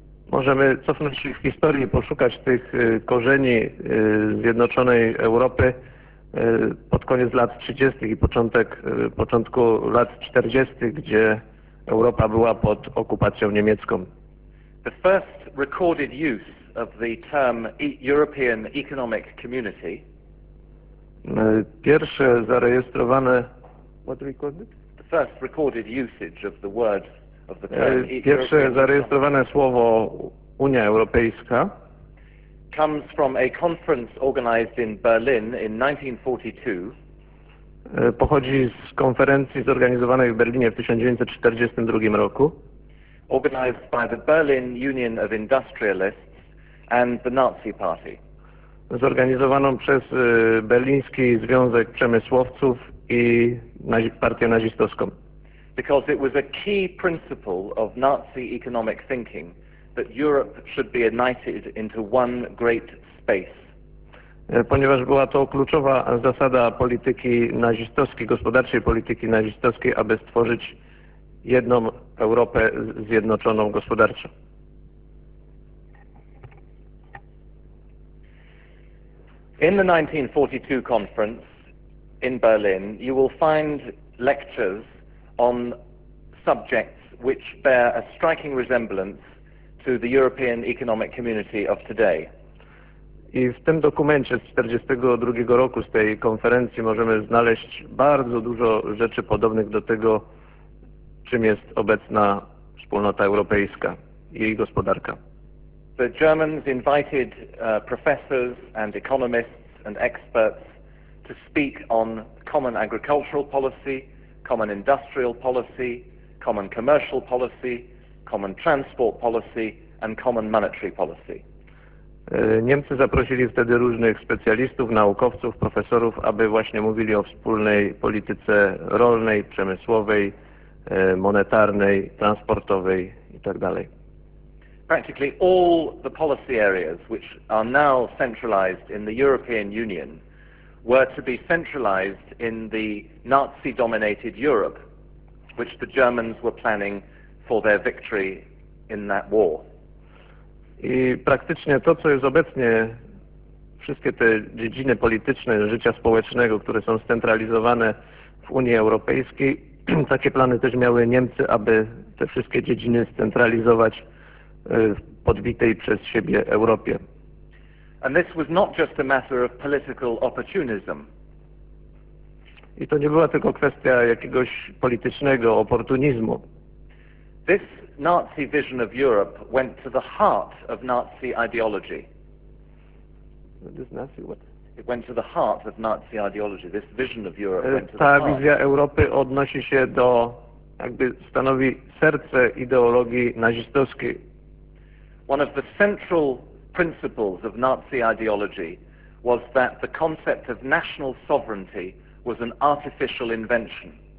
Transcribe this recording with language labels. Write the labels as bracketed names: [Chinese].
[Polish] Możemy cofnąć się w historii, poszukać tych korzeni zjednoczonej Europy pod koniec lat 30. i początku lat 40., gdzie Europa była pod okupacją niemiecką. [English] The first recorded use of the term European Economic Community. [Polish] Pierwsze zarejestrowane. [English] What recorded? The first recorded usage of the word of the term. [Polish] Pierwsze zarejestrowane słowo Unia Europejska. [English] Comes from a conference organized in Berlin in 1942. [Polish] Pochodzi z konferencji zorganizowanej w Berlinie w 1942 roku. [English] organized by the Berlin Union of Industrialists and the Nazi Party. [Polish] Zorganizowaną przez Berliński Związek Przemysłowców i Partię Nazistowską. [English] Because it was a key principle of Nazi economic thinking that Europe should be united into one great space. [Polish] Ponieważ była to kluczowa zasada polityki nazistowskiej, gospodarczej polityki nazistowskiej, aby stworzyć jedną Europę zjednoczoną gospodarczo. [English] In the 1942 conference in Berlin, you will find lectures on subjects which bear a striking resemblance to the European Economic Community of today. [Polish] I w tym dokumencie z 1942 roku, z tej konferencji, możemy znaleźć bardzo dużo rzeczy podobnych do tego, czym jest obecna wspólnota europejska i jej gospodarka. [English] The Germans invited professors and economists and experts to speak on common agricultural policy, common industrial policy, common commercial policy, common transport policy and common monetary policy. [Polish] Niemcy zaprosili wtedy różnych specjalistów, naukowców, profesorów, aby właśnie mówili o wspólnej polityce rolnej, przemysłowej, monetarnej, transportowej itd. [English] Practically all the policy areas which are now centralized in the European Union were to be centralized in the Nazi-dominated Europe, which the Germans were planning for their victory in that war. [Polish] I praktycznie to, co jest obecnie, wszystkie te dziedziny polityczne, życia społecznego, które są scentralizowane w Unii Europejskiej, takie plany też miały Niemcy, aby te wszystkie dziedziny scentralizować w podbitej przez siebie Europie. [English] And this was not just a matter of political opportunism. [Polish] I to nie była tylko kwestia jakiegoś politycznego oportunizmu. [English] This Nazi vision of Europe went to the heart of Nazi ideology. This Nazi what? It went to the heart of Nazi ideology. This vision of Europe went to the heart. [Polish] Ta wizja Europy odnosi się do, jakby stanowi serce ideologii nazistowskiej. [English] One of the central principles of Nazi ideology was that the concept of national sovereignty was an artificial invention.